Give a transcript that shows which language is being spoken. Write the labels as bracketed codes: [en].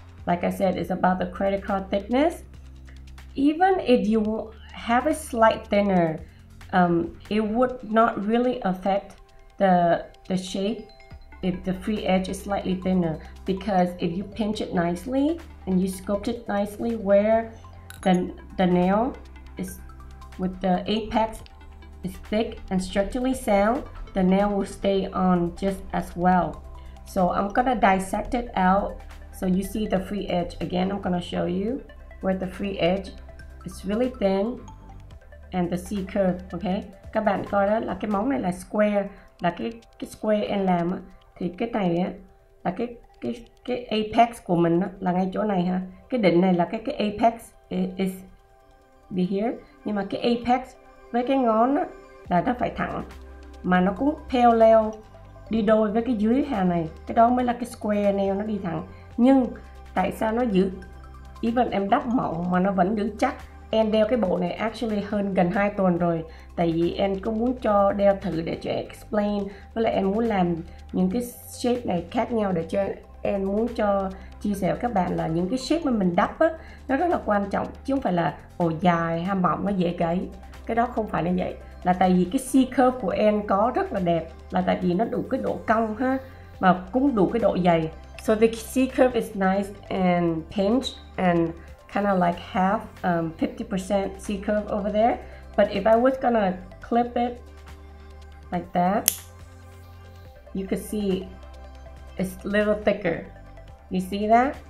[en] Like I said, it's about the credit card thickness. Even if you have a slight thinner, it would not really affect the shape if the free edge is slightly thinner, because if you pinch it nicely and you sculpt it nicely where the nail is with the apex is thick and structurally sound, the nail will stay on just as well. So I'm gonna dissect it out. So you see the free edge again, I'm gonna show you where the free edge is really thin and the C curve, okay? [vi] Các bạn coi đó là cái móng này là square, là cái square em làm á, thì cái này á là cái apex của mình á, là ngay chỗ này ha. Cái đỉnh này là cái apex [en] is be here. [vi] Nhưng mà cái apex với cái ngón á là nó phải thẳng, mà nó cũng parallel đi đôi với cái dưới hà này. Cái đó mới là cái square nail, nó đi thẳng. Nhưng tại sao nó giữ, even em đắp mỏng mà nó vẫn giữ chắc? Em đeo cái bộ này actually hơn gần 2 tuần rồi. Tại vì em cứ muốn cho đeo thử để cho em explain, với lại em muốn làm những cái shape này khác nhau để cho em muốn cho chia sẻ với các bạn là những cái shape mà mình đắp á, nó rất là quan trọng, chứ không phải là ồ dài hay mỏng nó dễ gãy. Cái đó không phải là vậy. Là tại vì cái C curve của em có rất là đẹp, là tại vì nó đủ cái độ cong ha, mà cũng đủ cái độ dày. [en] So the C curve is nice and pinched and kind of like half 50% C curve over there. But if I was gonna clip it like that, you could see it's a little thicker. You see that?